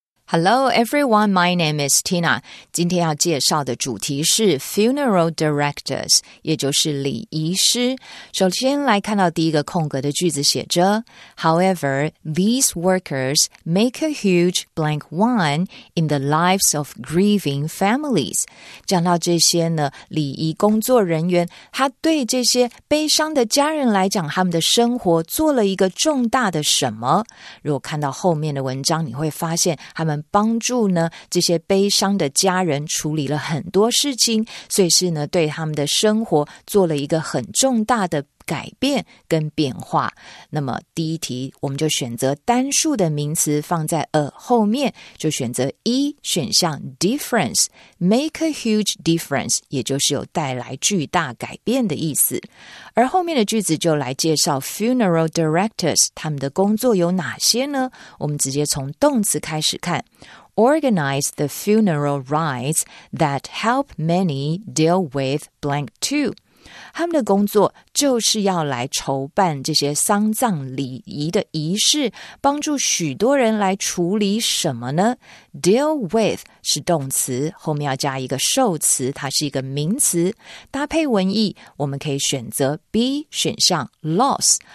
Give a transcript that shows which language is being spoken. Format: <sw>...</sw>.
<en>Hello, everyone. My name is Tina.</en> <zh>今天要介绍的主题是 funeral directors, 也就是礼仪师。首先来看到第一个空格的句子写着</zh> <en>However, these workers make a huge blank one in the lives of grieving families.</en> <zh>讲到这些呢，礼仪工作人员，他对这些悲伤的家人来讲，他们的生活做了一个重大的什么？如果看到后面的文章，你会发现他们帮助呢这些悲伤的家人处理了很多事情，所以是呢对他们的生活做了一个很重大的改变跟变化。那么第一题我们就选择单数的名词放在后面，就选择一选项 difference,</zh> <en>make a huge difference,</en> <zh>也就是有带来巨大改变的意思。而后面的句子就来介绍 funeral directors, 他们的工作有哪些呢？我们直接从动词开始看。</zh> <en>Organize the funeral rites that help many deal with blank too.</en> <zh>他们的工作就是要来筹办这些丧葬礼仪的仪式，帮助许多人来处理什么呢？ Deal with 是动词，后面要加一个受词，它是一个名词。搭配文意，我们可以选择 B 选项 loss。</zh>